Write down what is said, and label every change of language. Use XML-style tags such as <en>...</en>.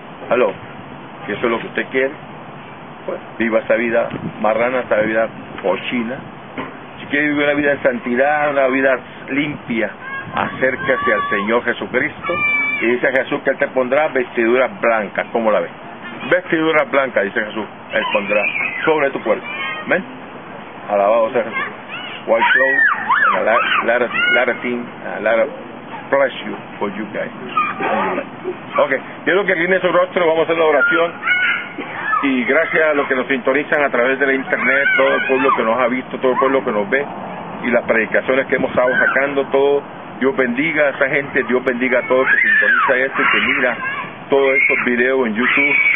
<es>Aló, si eso es lo que usted quiere, pues viva esa vida marrana, esa vida cochina. Si quiere vivir una vida en santidad, una vida limpia, acérquese al Señor Jesucristo. Y dice Jesús que Él te pondrá vestiduras blancas. ¿Cómo la ves? Vestiduras blancas, dice Jesús, Él pondrá sobre tu cuerpo. ¿Ven? Alabado sea Jesús.</es> <en>White clothes, and a lot of things, a lot of pleasure for you guys.</en> <es>Ok, yo lo que tiene su rostro, vamos a hacer la oración. Y gracias a los que nos sintonizan a través de la internet, todo el pueblo que nos ha visto, todo el pueblo que nos ve, y las predicaciones que hemos estado sacando, todo. Dios bendiga a esa gente, Dios bendiga a todos que sintoniza esto y que mira todos estos videos en YouTube.</es>